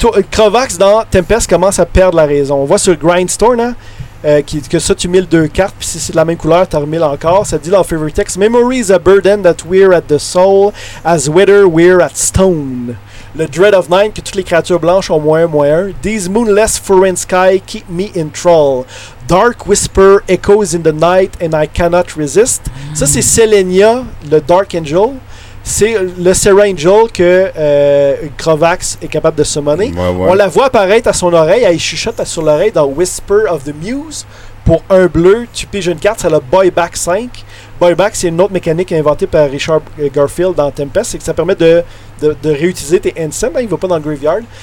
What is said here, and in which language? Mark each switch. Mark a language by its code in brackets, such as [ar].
[fr] Krovax, dans Tempest, commence à perdre la raison. On voit sur Grindstone, hein, que ça, tu mille 2 cartes, puis si c'est de la même couleur, t'as remis encore. Ça dit dans Favorite Text, « [en] Memory is a burden that wear at the soul, as wither wear at stone. [fr] Le Dread of Night, que toutes les créatures blanches ont moins 1. [en] These moonless foreign sky keep me in thrall. Dark whisper echoes in the night, and I cannot resist. [fr] » Ça, c'est Selenia, le Dark Angel. C'est le Serangel que Krovax est capable de summoner. Ouais. On la voit apparaître à son oreille, elle chuchote sur l'oreille dans Whisper of the Muse. Pour un bleu, tu piges une carte, c'est le Buyback 5. Buyback, c'est une autre mécanique inventée par Richard Garfield dans Tempest, c'est que ça permet de réutiliser tes ensembles, hein, il ne va pas dans le graveyard.